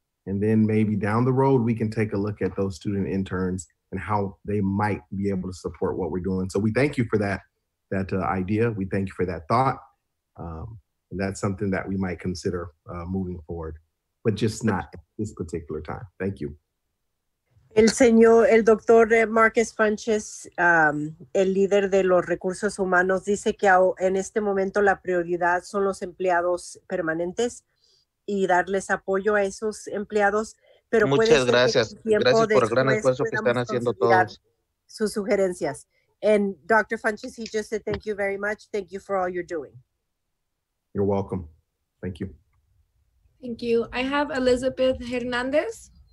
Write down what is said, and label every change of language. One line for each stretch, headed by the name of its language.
English: And then maybe down the road, we can take a look at those student interns and how they might be able to support what we're doing. So we thank you for that idea. We thank you for that thought. And that's something that we might consider moving forward, but just not at this particular time. Thank you.
Spanish: El doctor Marcus Funches, el líder de los recursos humanos, dice que en este momento la prioridad son los empleados permanentes y darles apoyo a esos empleados. Pero muchas gracias. Gracias por el gran esfuerzo que están haciendo todos. Sus sugerencias.
English: And Dr. Funches, he just said thank you very much. Thank you for all you're doing. You're welcome. Thank you. Thank you. I have Elizabeth Hernandez.